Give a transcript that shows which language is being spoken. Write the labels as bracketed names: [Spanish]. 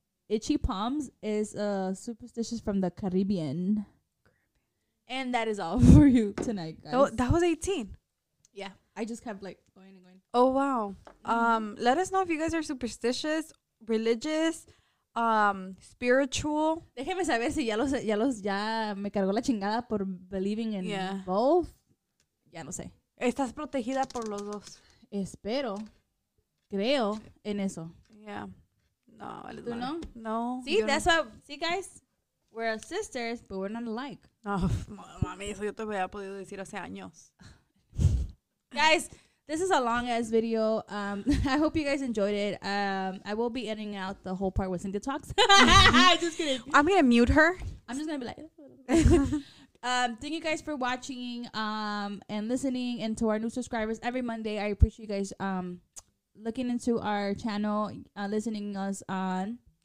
[English] Itchy palms is a superstitious from the Caribbean. And that is all for you tonight, guys. Oh, that was 18. Yeah, I just kept like going and going. Oh, wow. Mm-hmm. Let us know if you guys are superstitious, religious, spiritual. [Spanish] Déjeme saber si ya los ya me cargó la chingada por [English] believing in both. [Spanish] Ya no sé. Estás protegida por los dos. Espero. Creo en eso. [English] Yeah. No, no. See, that's what. See, guys, we're sisters, but we're not alike. [Spanish] No, mami, eso yo te había podido decir hace años. [English] Guys, this is a long ass video. I hope you guys enjoyed it. I will be editing out the whole part with Cynthia talks. Just kidding. I'm gonna mute her. I'm just gonna be like. thank you guys for watching and listening, and to our new subscribers every Monday. I appreciate you guys looking into our channel, listening to us on